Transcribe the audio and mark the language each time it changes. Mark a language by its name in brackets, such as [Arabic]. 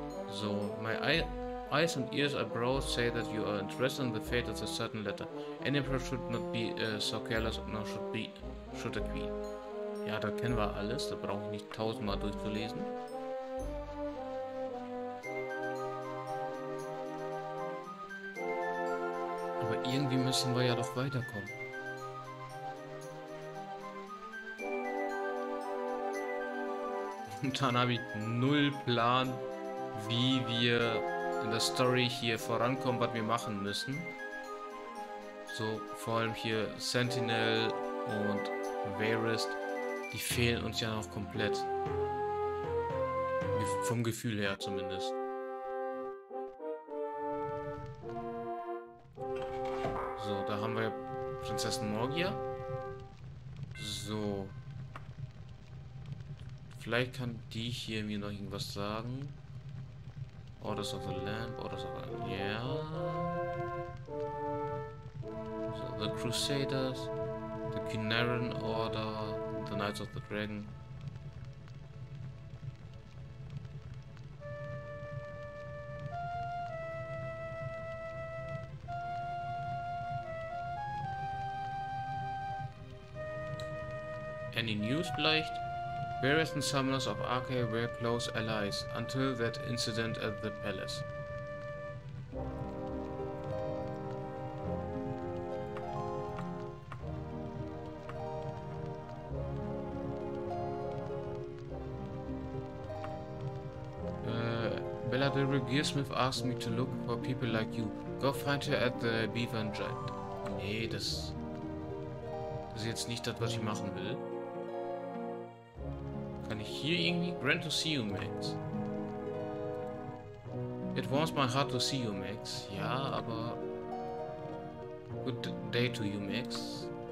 [English] So, my eyes and ears abroad say that you are interested in the fate of a certain letter. Any emperor should not be so careless, nor should be should a queen. [German] Ja, da kennen wir alles, da brauche ich nicht tausendmal durchzulesen. Aber irgendwie müssen wir ja doch weiterkommen. Und dann habe ich null Plan, wie wir in der Story hier vorankommen, was wir machen müssen. So, vor allem hier Sentinel und Vayrest, die fehlen uns ja noch komplett. Vom Gefühl her zumindest. So, da haben wir Prinzessin Morgia. So. Vielleicht kann die hier mir noch irgendwas sagen. [English] Orders of the Lamp, Orders of the Lamp. Yeah. So, the Crusaders, the Cunarin Order, the Knights of the Dragon. Any news [German] vielleicht? [English] Various and summoners of Arkay were close allies until that incident at the palace. Belladere Gearsmith asked me to look for people like you. Go find her at the Beaver and Giant. [German] Nee, das ist jetzt nicht das, was ich machen will. Hier irgendwie? [English] Grand to see you, Max. It warms my heart to see you, Max. [German] Ja, aber... [English] Good day to you, Max.